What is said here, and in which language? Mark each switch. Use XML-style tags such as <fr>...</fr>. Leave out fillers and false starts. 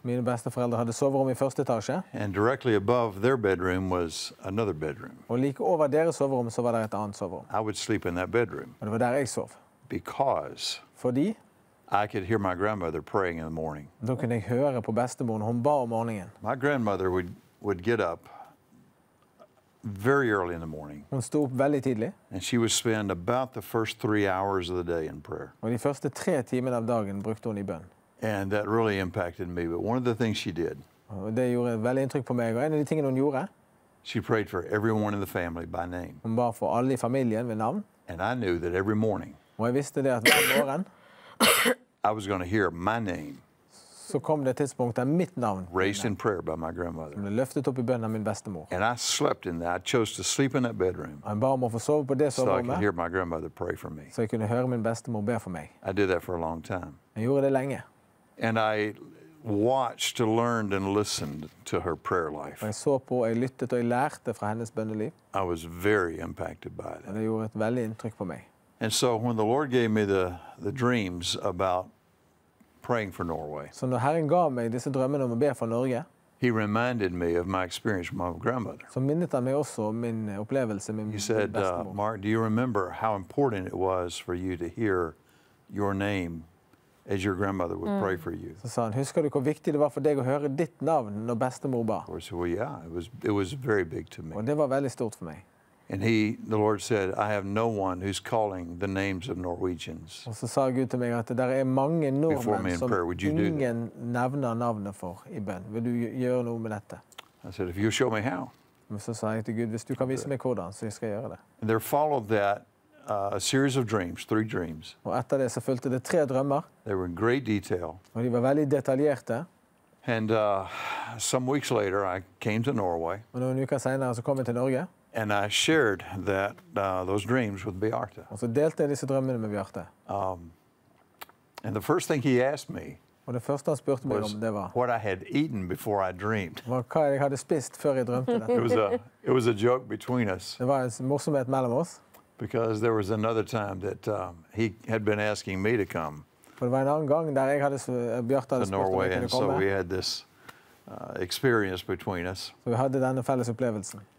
<no>Mine besteforeldre hadde soverom i første etasje.</no> <en>And directly above their bedroom was another bedroom.</en> <no>Og like over deres soverom så var det et annet soverom.</no> <en>I would sleep in that bedroom.</en> <no>Og det var der jeg sov.</no> <en>Because.</en> <no>Fordi.</no> <en>I could hear my grandmother praying in the morning.</en> <no>Da kunne jeg høre på bestemoren hun ba om morgenen.</no> <en>My grandmother would get up very early in the morning.</en> <no>Hun sto opp veldig tidlig.</no> <en>And she would spend about the first 3 hours of the day in prayer.</en> <no>Og de første tre timene av dagen brukte hun i bønn.</no> <en>And that really impacted me. But one of the things she did.</en> <no>Og det gjorde veldig inntrykk på meg. Og en av de tingene hun gjorde.</no> <en>She prayed for everyone in the family by name.</en> <no>Hun ba for alle i familien ved navn.</no> <en>And I knew that every morning.</en> <no>Og jeg visste det at hver morgen.</no> <en>I was going to hear my name.</en> <no>Så kom det tidspunkt der mitt navn.</no> <en>Raised in prayer by my grandmother.</en> <no>Som ble løftet opp i bønn av min bestemor.</no> <en>And I slept in that. I chose to sleep in that bedroom.</en> <no>Jeg ba om å få sove på det soverommet.</no> <en>So I could hear my grandmother pray for me.</en> <no>Så jeg kunne høre min bestemor be for meg.</no> <en>I did that for a long time.</en> <no>Jeg gjorde det lenge.</no> <en>And I watched, learned, and listened to her prayer life.</en> <no>Jeg så på, jeg lyttet og jeg lærte fra hennes bønneliv.</no> <en>I was very impacted by that.</en> <no>Det gjorde et veldig inntrykk på meg.</no> <en>And so when the Lord gave me the dreams about praying for Norway.</en> <no>Så når Herren gav meg disse drømmene om å be for Norge.</no> <en>He reminded me of my experience with my grandmother.</en> <no>Så minnet han meg også om min opplevelse med min bestemor.</no> <en>He said, Mark, do you remember how important it was for you to hear your name as your grandmother would pray for you?</en> <no>Så sa han, husker du hvor viktig det var for deg å høre ditt navn når bestemor ba?</no> <en>Of course, well, yeah, it was very big to me.</en> <no>Og det var veldig stort for meg.</no> <en>And the Lord said, I have no one who's calling the names of Norwegians.</en> <no>Og så sa Gud til meg at det er mange nordmenn som ingen nevner navnet for i bønn. Vil du gjøre noe med dette?</no> <en>I said, if you'll show me how.</en> <no>Og så sa jeg til Gud, hvis du kan vise meg hvordan, så skal jeg gjøre det.</no> <en>And there followed that a series of dreams, three dreams.</en> <no>Og etter det så fulgte det tre drømmer.</no> <en>They were in great detail.</en> <no>Og de var veldig detaljerte.</no> <en>And some weeks later, I came to Norway.</en> <no>Og noen uker senere så kom jeg til Norge.</no> <en>And I shared that those dreams with Bjarte.</en> <no>Og så delte jeg disse drømmene med Bjarte.</no> <en>And the first thing he asked me.</en> <no>Og det første han spurte meg om det var.</no> <en>What I had eaten before I dreamed.</en> <no>Hva jeg hadde spist før jeg drømte det.</no> <en>It was a joke between us.</en> <no>Det var en morsomhet mellom oss.</no> <en>Because there was another time that he had been asking me to come.</en> <no>For det var en annen gang der jeg hadde Bjarte spurt om jeg kunne komme.</no> <en>So we had this experience between us.</en> <no>Så vi hadde denne felles opplevelsen.</no>